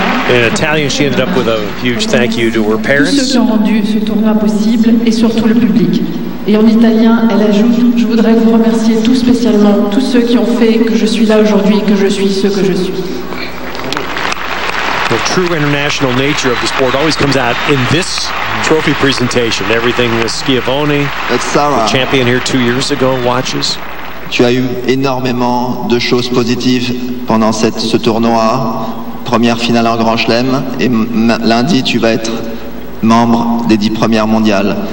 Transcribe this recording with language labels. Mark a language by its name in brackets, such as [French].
[English] In Italian, she ended up with a huge thank you to her parents. [French] Tous ceux qui ont rendu ce tournoi possible et surtout le public. Et en italien, elle ajoute, je voudrais vous remercier tout spécialement, tous ceux qui ont fait que je suis là aujourd'hui, que je suis ce que je suis. [English] The true international nature of the sport always comes out in this trophy presentation. Everything with Schiavone, Sara, the champion here 2 years ago, watches. [French] Tu as eu énormément de choses positives pendant ce tournoi. Première finale en Grand Chelem et lundi tu vas être membre des 10 premières mondiales.